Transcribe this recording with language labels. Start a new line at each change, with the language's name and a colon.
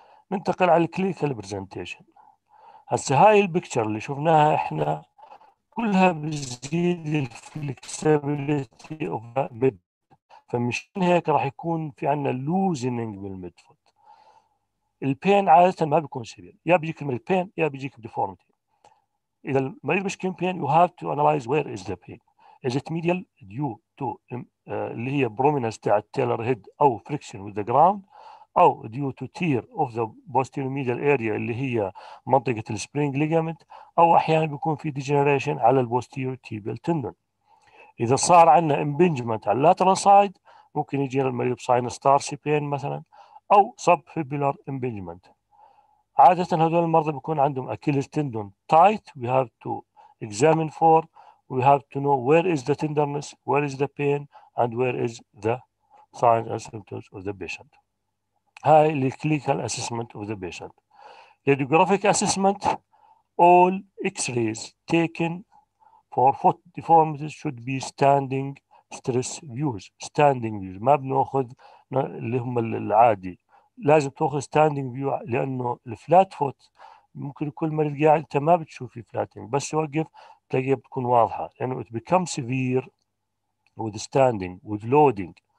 Arabic: ننتقل على الكلينيكال برزنتيشن. هسه هاي البكتشر اللي شفناها احنا كلها بتزيد الفلكسبيليتي اوف ذا، فمشان هيك راح يكون في عنا لوزينينج بالميد فوت. البين عادة ما بيكون سيبير، يا بيجيك من البين يا بيجيك بديفورمتي. إذا المريض بيشكي من بين
English: you have to analyze where is the pain. Is it medial due to
Arabic: اللي هي برومينس تاع التيلر هيد أو فريكشن with the ground، أو
English: due to tear of the posterior medial area
Arabic: اللي هي منطقة السبرينج ليجامنت، أو أحيانا بيكون في degeneration على البوستيريور tibial tendon. إذا صار عندنا impingement على lateral side ممكن يجي المريض sinus tarsi pain مثلا أو subfibular impingement. عادة هذول المرضى بيكون عندهم
English: Achilles tendon tight، we have to examine for، we have to know where is the tenderness, where is the pain and where is the signs and symptoms of the patient.
Arabic: هاي الـ
English: clinical assessment of the patient. Radiographic assessment، all x-rays taken for foot deformities should be standing stress views.
Arabic: Standing views ما بنأخذ اللي هم العادي، لازم تأخذ standing view لأنه الفلات فوت ممكن كل مريض قاعد أنت ما بتشوف في فلاتينج، بس يوقف تلاقيها بتكون واضحة لأنه
English: it becomes severe with standing with loading.